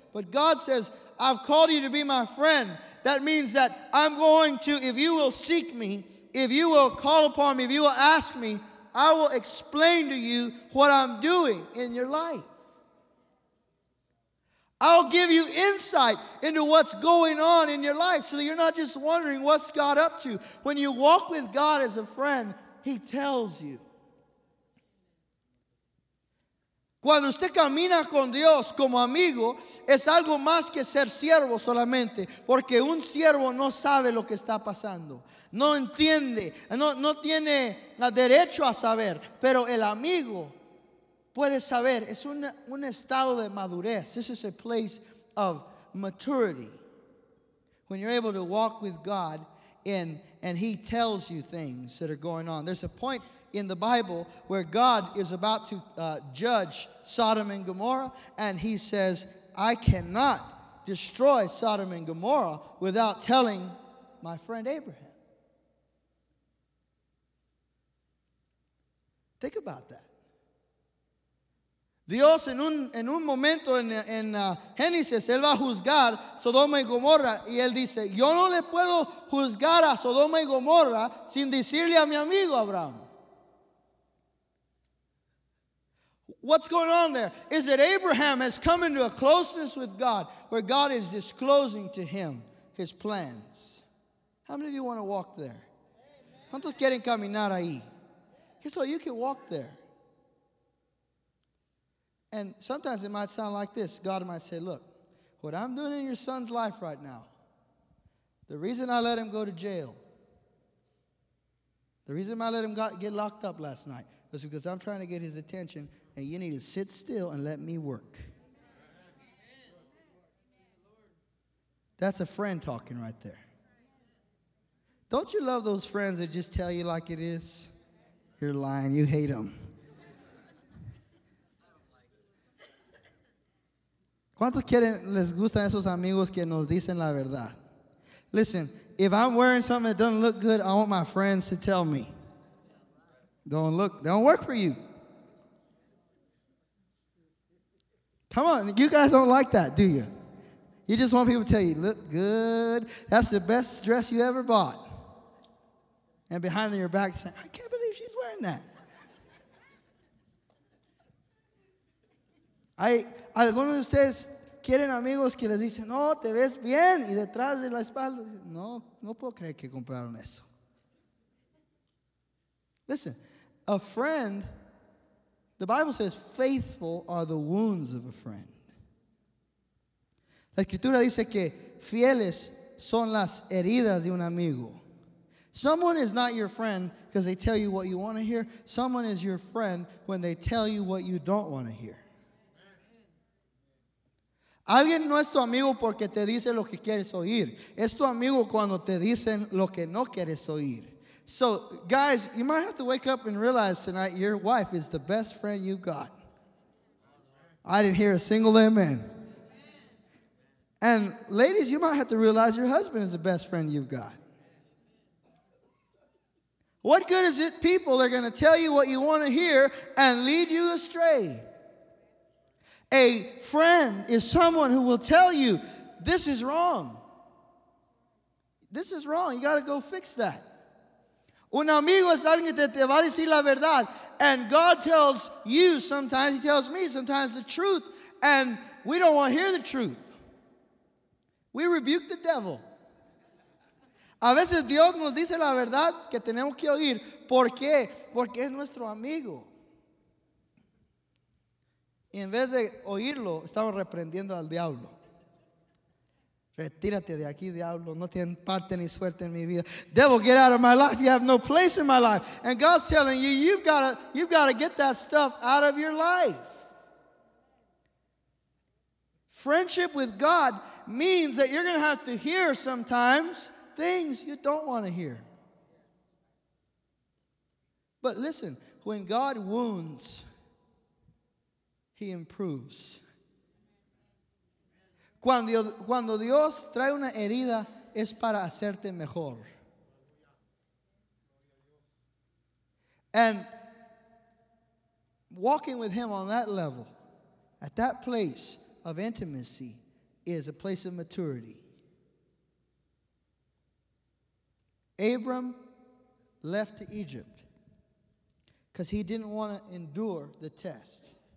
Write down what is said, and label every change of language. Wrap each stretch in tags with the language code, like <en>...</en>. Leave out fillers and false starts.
<en>But God says, I've called you to be my friend. That means that I'm going to, if you will seek me, if you will call upon me, if you will ask me, I will explain to you what I'm doing in your life. I'll give you insight into what's going on in your life so that you're not just wondering what's God up to. When you walk with God as a friend, he tells you.</en> <es>Cuando usted camina con Dios como amigo, es algo más que ser siervo solamente, porque un siervo no sabe lo que está pasando. No entiende, no tiene la derecho a saber, pero el amigo puedes saber, es un estado de madurez.</es> <en>This is a place of maturity. When you're able to walk with God and he tells you things that are going on. There's a point in the Bible where God is about to judge Sodom and Gomorrah. And he says, I cannot destroy Sodom and Gomorrah without telling my friend Abraham. Think about that.</en> <es>Dios en un momento en Génesis, Él va a juzgar Sodoma y Gomorra. Y Él dice, yo no le puedo juzgar a Sodoma y Gomorra sin decirle a mi amigo Abraham.</es> <en>What's going on there? Is that Abraham has come into a closeness with God where God is disclosing to him his plans. How many of you want to walk there?</en> <es>¿Cuántos quieren caminar ahí?</es> <en>Guess what? You can walk there. And sometimes it might sound like this. God might say, look, what I'm doing in your son's life right now, the reason I let him go to jail, the reason I let him get locked up last night was because I'm trying to get his attention, and you need to sit still and let me work. That's a friend talking right there. Don't you love those friends that just tell you like it is? You're lying. You hate them.</en> <es>¿Cuántos quieren, les gustan esos amigos que nos dicen la verdad?</es> <en>Listen, if I'm wearing something that doesn't look good, I want my friends to tell me. Don't work for you. Come on, you guys don't like that, do you? You just want people to tell you, look good. That's the best dress you ever bought. And behind your back saying, I can't believe she's wearing that.</en> <es>Algunos de ustedes quieren amigos que les dicen, no, te ves bien. Y detrás de la espalda, no puedo creer que compraron eso.</es> <en>Listen, a friend, the Bible says, faithful are the wounds of a friend.</en> <es>La Escritura dice que fieles son las heridas de un amigo.</es> <en>Someone is not your friend because they tell you what you want to hear. Someone is your friend when they tell you what you don't want to hear.</en> <es>Alguien no es tu amigo porque te dice lo que quieres oír. Es tu amigo cuando te dicen lo que no quieres oír.</es> <en>So, guys, you might have to wake up and realize tonight your wife is the best friend you've got. I didn't hear a single amen. And ladies, you might have to realize your husband is the best friend you've got. What good is it, people, they're going to tell you what you want to hear and lead you astray? A friend is someone who will tell you, this is wrong. This is wrong. You got to go fix that.</en> <es>Un amigo es alguien que te va a decir la verdad.</es> <en>And God tells you sometimes, he tells me sometimes the truth. And we don't want to hear the truth. We rebuke the devil.</en> <es>A veces Dios nos dice la verdad que tenemos que oír. ¿Por qué? Porque es nuestro amigo. Y en vez de oírlo, estamos reprendiendo al diablo. Retírate de aquí, diablo. No tienes parte ni suerte en mi vida.</es> <en>Devil, get out of my life. You have no place in my life. And God's telling you, you've got to get that stuff out of your life. Friendship with God means that you're going to have to hear sometimes things you don't want to hear. But listen, when God wounds, he improves.</en> <es>Cuando Dios trae una herida, es para hacerte mejor.</es> <en>And walking with him on that level, at that place of intimacy, is a place of maturity. Abram left to Egypt because he didn't want to endure the test.</en>